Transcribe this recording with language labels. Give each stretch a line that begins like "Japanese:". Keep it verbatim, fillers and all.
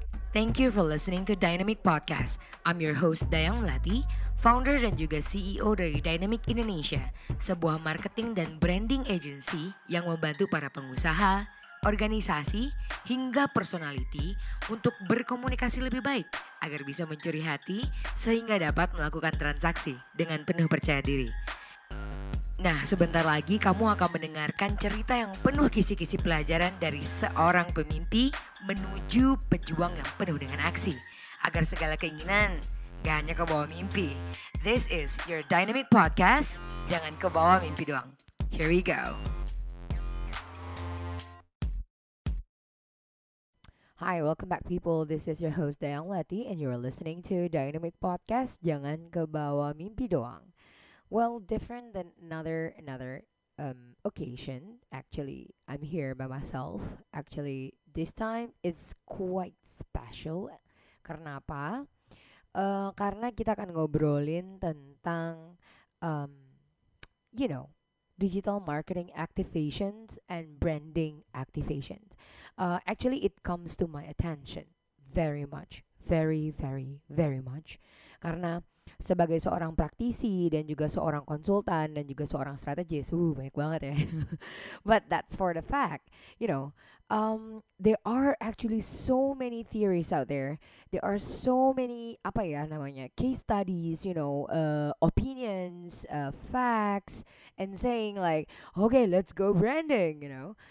English: Thank you for listening to Dynamic Podcast. I'm your host
Indonesian: Dayang Melati, founder dan juga C E O dari Dynamic Indonesia, sebuah marketing dan branding agency yang membantu para pengusaha, organisasi, hingga personality untuk berkomunikasi lebih baik agar bisa mencuri hati sehingga dapat melakukan transaksi dengan penuh percaya diri. Nah, sebentar lagi kamu akan mendengarkan cerita yang penuh kisi-kisi pelajaran dari seorang pemimpi menuju pejuang yang penuh dengan aksi agar segala keinginan gak hanya kebawa mimpi.
English: This is your Dynamic Podcast.
Indonesian: Jangan kebawa mimpi doang.
English: Here we go. Hi, welcome back people. This is your host Dayang Melati and you are listening to Dynamic Podcast.
Indonesian: Jangan kebawa mimpi doang.
English: Well, different than another another um, occasion. Actually, I'm here by myself. Actually, this time it's quite special.
Indonesian: Karena apa? Uh, karena kita akan ngobrolin tentang
English: um, you know, digital marketing activations and branding activations. Uh, actually, it comes to my attention very much, very, very, very much.
Indonesian: Karena sebagai seorang praktisi dan juga seorang konsultan dan juga seorang strategis, uh, banyak banget ya.
English: But that's for the fact, you know. Um, there are actually so many theories out there. There are so many
Indonesian: apa ya namanya
English: case studies, you know, uh, opinions, uh, facts, and saying like, okay, let's go branding, you know.